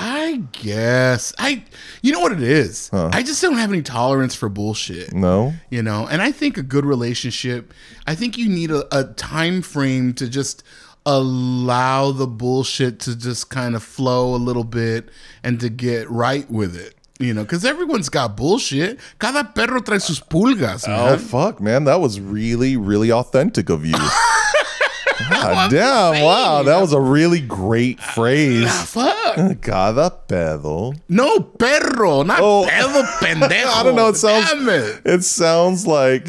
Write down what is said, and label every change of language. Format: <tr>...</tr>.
<en>I guess you know what it is. I just don't have any tolerance for bullshit. No, you know, and I think a good relationship, I think you need a time frame to just allow the bullshit to just kind of flow a little bit and to get right with it, you know, because everyone's got bullshit.</en> <es>Cada perro trae sus pulgas, man.</es> <en>Oh, fuck, man, that was really, really authentic of you. Damn, wow, that was a really great phrase. Fuck.</en> <es>Cada pedo.</es> <en>No, perro, not pedo, pendejo. I don't know, it sounds like</en>